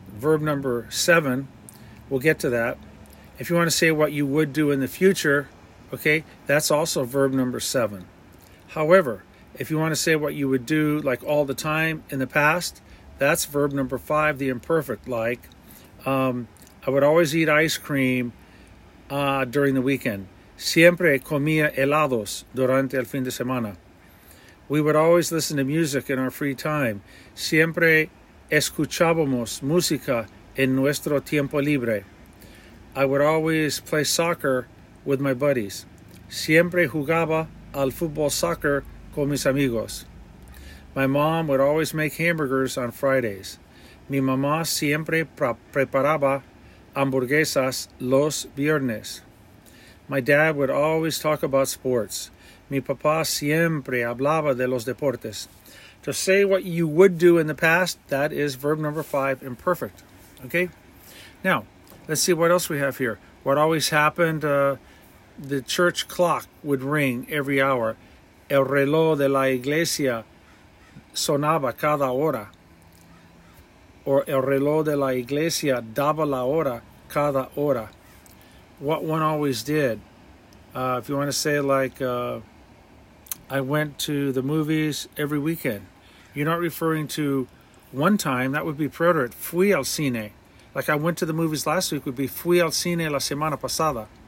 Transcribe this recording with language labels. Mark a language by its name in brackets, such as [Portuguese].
[English] Verb number 7, we'll get to that. If you want to say what you would do in the future, okay, that's also verb number 7. However, if you want to say what you would do like all the time in the past, that's verb number 5, the imperfect, like, I would always eat ice cream during the weekend. [Spanish] Siempre comía helados durante el fin de semana. [English] We would always listen to music in our free time. [Spanish] Siempre escuchábamos música en nuestro tiempo libre. [English] I would always play soccer with my buddies. [Spanish] Siempre jugaba al fútbol soccer con mis amigos. [English] My mom would always make hamburgers on Fridays. [Spanish] Mi mamá siempre preparaba hamburguesas los viernes. [English] My dad would always talk about sports. [Spanish] Mi papá siempre hablaba de los deportes. [English] To say what you would do in the past, that is verb number 5, imperfect. Okay? Now, let's see what else we have here. What always happened, the church clock would ring every hour. [Spanish] El reloj de la iglesia sonaba cada hora. Or el reloj de la iglesia daba la hora cada hora. [English] What one always did. If you want to say like, I went to the movies every weekend. You're not referring to one time. That would be preterite. [Spanish] Fui al cine. [English] Like I went to the movies last week would be [Spanish] fui al cine la semana pasada.